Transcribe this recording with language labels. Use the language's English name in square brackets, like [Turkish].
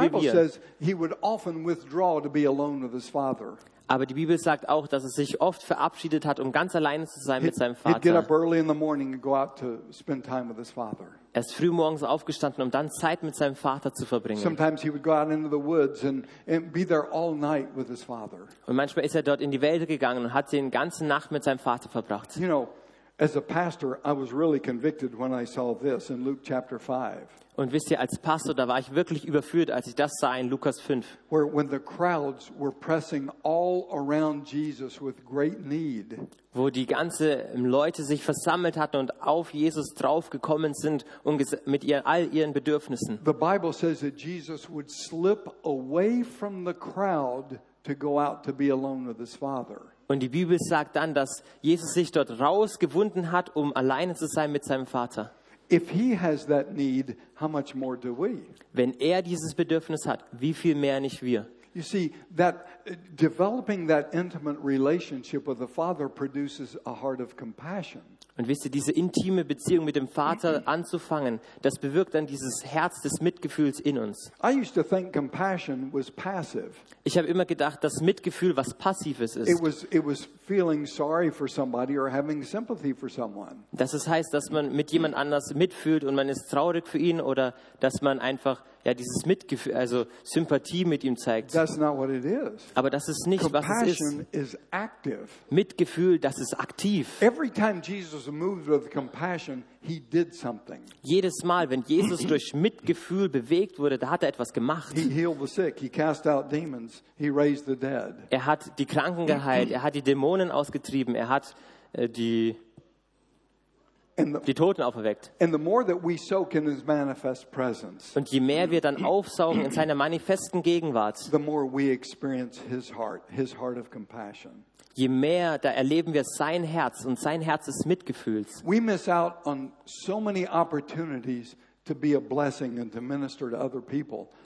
[English] But the Bible says he would often withdraw to be alone with his father. [German] Aber die Bibel sagt auch, dass er sich oft verabschiedet hat, um ganz alleine zu sein mit seinem Vater. [English] He'd get up early in the morning and go out to spend time with his father. [German] Er ist früh morgens aufgestanden, um dann Zeit mit seinem Vater zu verbringen. [English] Sometimes he would go out into the woods and be there all night with his father. [German] Und manchmal ist er dort in die Wälder gegangen und hat den ganzen Nacht mit seinem Vater verbracht. [English] You know, as a pastor, I was really convicted when I saw this in Luke chapter 5. [German] Und wisst ihr, als Pastor, da war ich wirklich überführt, als ich das sah in Lukas 5. [English] Where when the crowds were pressing all around Jesus with great need. [German] Wo die ganze Leute sich versammelt hatten und auf Jesus drauf gekommen sind und mit all ihren Bedürfnissen. [English] The Bible says that Jesus would slip away from the crowd to go out to be alone with his father. [German] Und die Bibel sagt dann, dass Jesus sich dort rausgewunden hat, um alleine zu sein mit seinem Vater. [English] If he has that need, how much more do we? [German] Wenn er dieses Bedürfnis hat, wie viel mehr nicht wir? [English] You see, that developing that intimate relationship with the Father produces a heart of compassion. [German] Und wisst ihr, diese intime Beziehung mit dem Vater anzufangen, das bewirkt dann dieses Herz des Mitgefühls in uns. [English] I used to think compassion was passive. [German] Ich habe immer gedacht, dass Mitgefühl was Passives ist. [English] It was feeling sorry for somebody or having sympathy for someone. [German] Das heißt, dass man mit jemand anders mitfühlt und man ist traurig für ihn oder dass man einfach ja dieses Mitgefühl, also Sympathie mit ihm zeigt. [English] That's not what it is. [German] Aber das ist nicht, was es ist. [English] Compassion is active. [German] Mitgefühl, das ist aktiv. [English] Every time Jesus moved with compassion, he did something. [German] Jedes Mal, wenn Jesus durch Mitgefühl bewegt wurde, da hat er etwas gemacht. [English] He healed the sick, he cast out demons, he raised the dead. [German] Er hat die Kranken geheilt, er hat die Dämonen ausgetrieben, er hat die Toten auferweckt. [English] And the more that we soak in his manifest presence, [German] und je mehr wir dann aufsaugen in seiner manifesten Gegenwart, [English] the more we experience his heart of compassion. [German] Je mehr da erleben wir sein Herz und sein Herz des Mitgefühls. [English] We miss out on so many opportunities to be a blessing and to minister to other people.